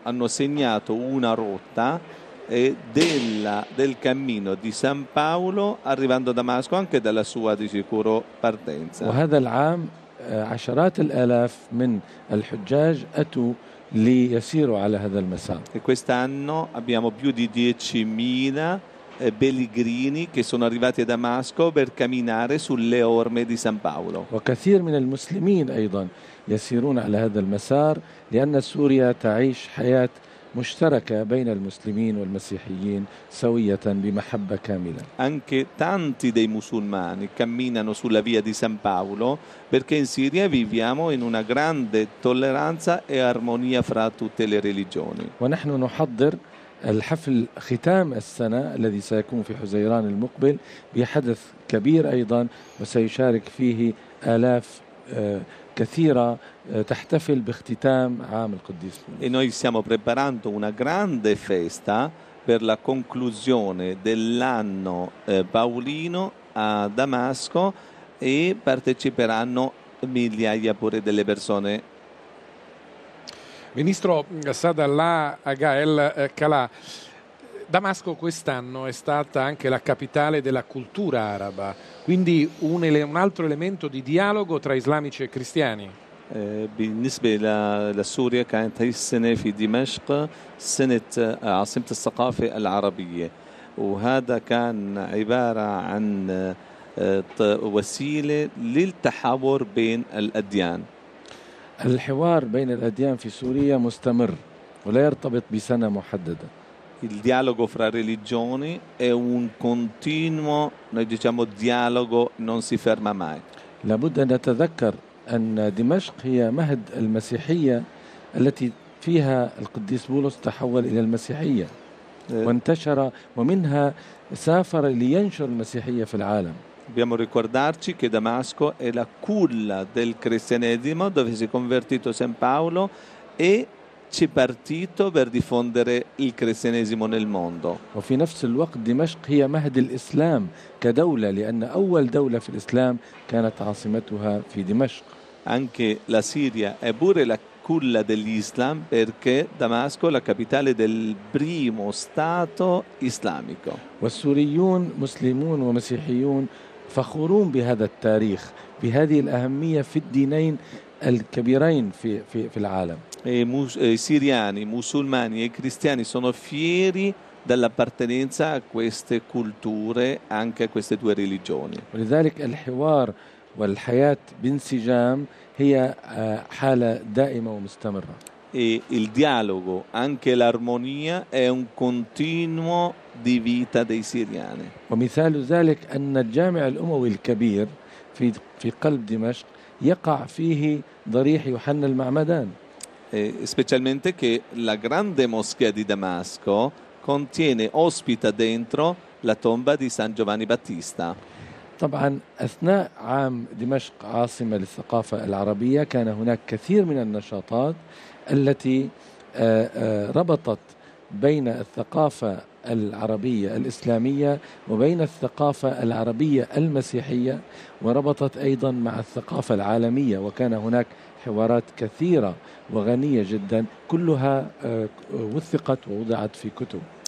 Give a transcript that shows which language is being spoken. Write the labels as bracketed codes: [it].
[it] Hanno segnato una rotta del cammino di San Paolo arrivando a Damasco anche dalla sua di sicuro partenza. [ar] وهذا العام عشرات الآلاف من الحجاج أتوا ليسيروا على هذا المسار. [it] E quest'anno abbiamo più di 10.000 pellegrini che sono arrivati a Damasco per camminare sulle orme di San Paolo. [ar] وكثير من المسلمين أيضا يسيرون على هذا المسار لأن سوريا تعيش حياة مشتركة بين المسلمين والمسيحيين سوية بمحبة كاملة. [it] Anche tanti dei musulmani camminano sulla via di San Paolo perché in Siria viviamo in una grande tolleranza e armonia fra tutte le religioni. [ar] ونحن نحضر الحفل ختام السنة الذي سيكون في حزيران المقبل بحدث كبير أيضا وسيشارك فيه آلاف كثيرة تحتفل باختتام عام القديس. [it] E noi stiamo preparando una grande festa per la conclusione dell'anno paulino a Damasco e parteciperanno migliaia pure delle persone. Ministro Sadallah Aga El Kala, Damasco quest'anno è stata anche la capitale della cultura araba, quindi un altro elemento di dialogo tra islamici e cristiani. [ar] بالنسبة لسوريا كانت هي السنة في دمشق سنة عاصمة الثقافة العربية وهذا كان عبارة عن وسيلة للتحاور بين الأديان. الحوار بين الأديان في سوريا مستمر ولا يرتبط بسنة محددة. [it] Il dialogo fra religioni è un continuo, noi diciamo dialogo, non si ferma mai. [ar] لابد أن نتذكر أن دمشق هي مهد المسيحية التي فيها القديس بولس تحول إلى المسيحية وانتشر ومنها سافر لينشر المسيحية في العالم. [it] Dobbiamo ricordarci che Damasco è la culla del cristianesimo dove si è convertito San Paolo e c'è partito per diffondere il cristianesimo nel mondo. [ar] وفي نفس الوقت دمشق هي مهد الإسلام كدولة لأن أول دولة في الإسلام كانت عاصمتها في دمشق. [it] Anche la Siria è pure la culla dell'Islam perché Damasco è la capitale del primo stato islamico. [ar] والسوريون مسلمون ومسيحيون فخورون بهذا التاريخ بهذه الأهمية في الدينين الكبيرين في العالم. [it] I siriani, musulmani e cristiani sono fieri dell'appartenenza a queste culture, anche a queste due religioni. [ar] ولذلك الحوار والحياة بانسجام هي حالة دائمة ومستمرة. [it] E il dialogo, anche l'armonia è un continuo di vita dei siriani. [ar] ومثال ذلك أن الجامع الأموي الكبير في قلب دمشق يقع فيه ضريح يوحنا المعمدان. [it] Specialmente che la grande moschea di Damasco contiene, ospita dentro la tomba di San Giovanni Battista. [ar] طبعا أثناء عام دمشق عاصمة للثقافة العربية كان هناك كثير من النشاطات التي ربطت بين الثقافة العربية الإسلامية وبين الثقافة العربية المسيحية وربطت أيضا مع الثقافة العالمية وكان هناك حوارات كثيرة وغنية جدا كلها وثقت ووضعت في كتب.